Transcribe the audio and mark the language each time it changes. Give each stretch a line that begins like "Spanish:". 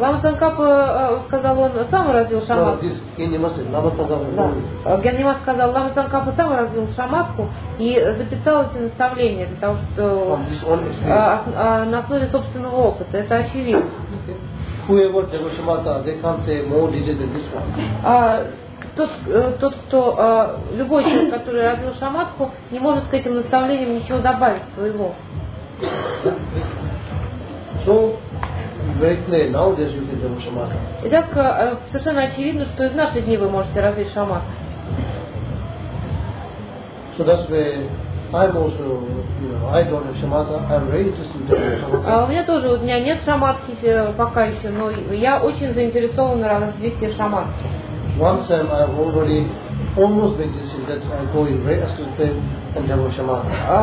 Russian: Лама Цанкапа сказал, он сам развил шаматху. Ген Нима сказал, Лама Цанкапа сам развил шаматху и записал эти наставления для того, что на основе собственного опыта, это очевидно.
English: Whoever
Russian: говорит шамата,
English: they can't say more detail than this one.
Russian: Любой человек, который развил шаматху, не может к этим наставлениям ничего добавить своего.
English: So, very clear, nowadays you can do shamatha.
Russian: Итак, совершенно очевидно, что и в наши дни вы можете развить шаматху.
English: So that's why I'm also, I don't have shamatha, I'm very interested in doing shamatha.
Russian: У меня тоже, у меня нет шаматхи пока еще, но я очень заинтересован в развитии шаматхи.
English: Once I have already almost made the decision that I go in very astral plane and have a shamatha.